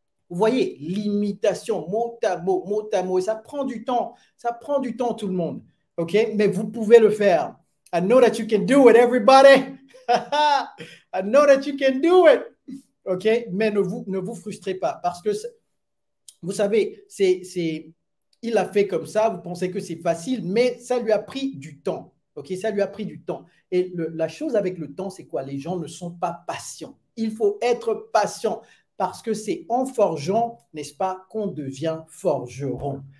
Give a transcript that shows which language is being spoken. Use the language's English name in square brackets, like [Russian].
[French] Vous voyez, l'imitation, mot à mot, et ça prend du temps. Ça prend du temps, tout le monde. OK? Mais vous pouvez le faire. [English] I know that you can do it, everybody. I know that you can do it. OK? [French] Mais ne vous frustrez pas parce que, vous savez, il a fait comme ça. Vous pensez que c'est facile, mais ça lui a pris du temps. OK? Ça lui a pris du temps. Et la chose avec le temps, c'est quoi? Les gens ne sont pas patients. Il faut être patient. Parce que c'est en forgeant, n'est-ce pas, qu'on devient forgeron.